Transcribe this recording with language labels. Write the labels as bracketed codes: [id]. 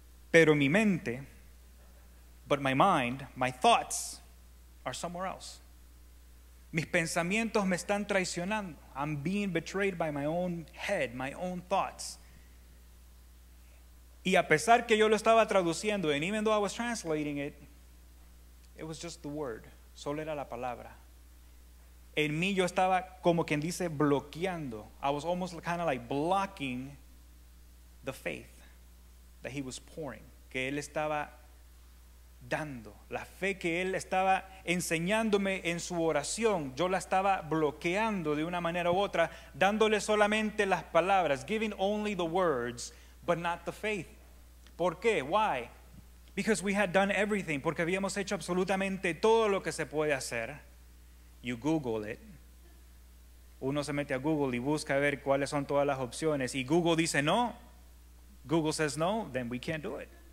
[es] Pero mi mente, [en] but my mind, my thoughts are somewhere else. [es] Mis pensamientos me están traicionando. [en] I'm being betrayed by my own head, my own thoughts. [es] Y a pesar que yo lo estaba traduciendo, [en] and even though I was translating it, it was just the word. [es] Solo era la palabra. En mí yo estaba como quien dice bloqueando. [en] I was almost kind of like blocking the faith that he was pouring, [es] que él estaba dando. La fe que él estaba enseñándome en su oración, yo la estaba bloqueando de una manera u otra, dándole solamente las palabras, [en] giving only the words, but not the faith. [es] ¿Por qué? [en] Why? Because we had done everything, [es] porque habíamos hecho absolutamente todo lo que se puede hacer. [en] You Google it. [es] Uno se mete a Google y busca a ver cuáles son todas las opciones. Y Google dice no. [en] Google says no, then we can't do it.